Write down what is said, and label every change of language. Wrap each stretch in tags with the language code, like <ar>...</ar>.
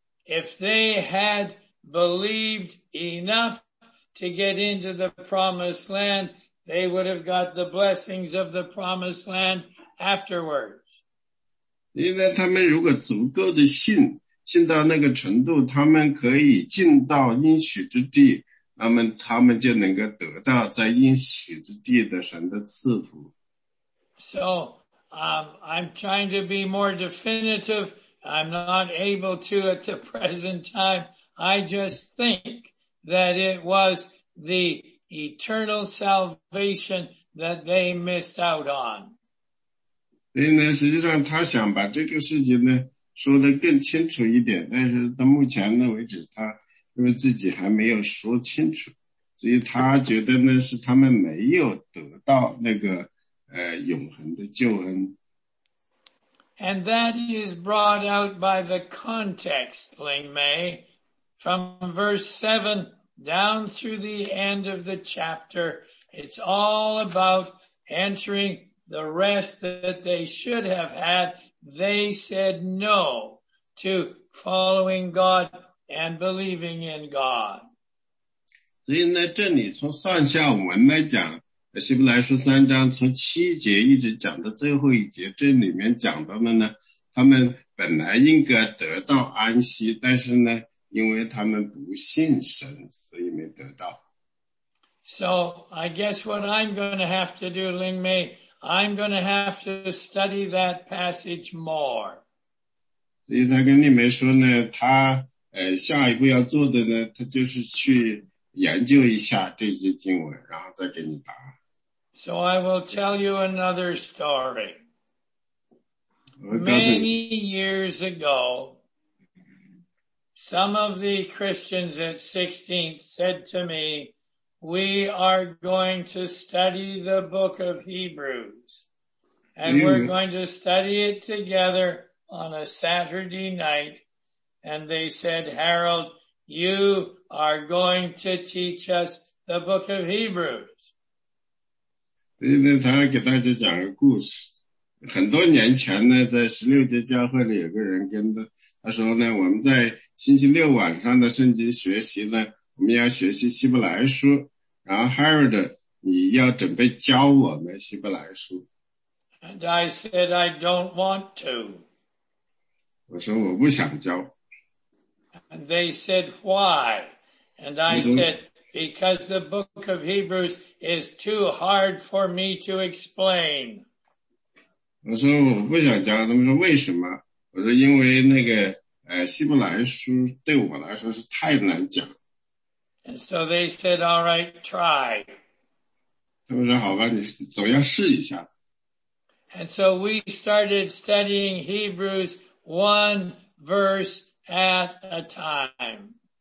<en>If they had believed enough to get into the promised land, they would have got the blessings of the promised land afterwards.</en> <zh>因为他们如果足够的信，信到那个程度，他们可以进到应许之地，那么他们就能够得到在应许之地的神的赐福。</zh> <en>So, I'm trying to be more definitive. I'm not able to at the present time. I just think that it was the eternal salvation that they missed out on.</en> <zh>所以呢，实际上他想把这个事情呢说得更清楚一点，但是到目前呢为止，他因为自己还没有说清楚，所以他觉得呢是他们没有得到那个永恒的救恩。</zh> <en>And that is brought out by the context, Ling Mei, from verse 7 down through the end of the chapter. It's all about entering the rest that they should have had. They said no to following God and believing in God.</en> <zh>所以呢，这里从上下文来讲，希伯来书三章从七节一直讲到最后一节，这里面讲到的呢，他们本来应该得到安息，但是呢，因为他们不信神，所以没得到。</zh> <en>So, I guess what I'm going to have to do, Ling Mei, I'm going to have to study that passage more.</en> <zh>所以他跟利梅说呢，他下一步要做的呢，他就是去研究一下这些经文，然后再给你答案。</zh> <en>So I will tell you another story.</en> <zh>我告诉你。</zh> <en>Many years ago, some of the Christians at 16th said to me, we are going to study the book of Hebrews, and we're going to study it together on a Saturday night. And they said, Harold, you are going to teach us the book of Hebrews.</en> <zh>今天他给大家讲个故事。很多年前呢，在十六届教会里有个人跟着他说呢，我们在星期六晚上的圣经学习呢，我们要学习希伯来书，然后 Harold, 你要准备教我们希伯来书。</zh> <en>And I said, I don't want to.</en> <zh>我说我不想教。</zh> <en>And they said, why? And I said, because the book of Hebrews is too hard for me to explain.</en> <zh>我说我不想教，他们说为什么？我说因为那个希伯来书对我来说是太难讲。</zh> <en>And so they said, all right, try.</en> <zh>他们说好吧，你总要试一下。</zh> <en>And so we started studying Hebrews one verse at a time.</en>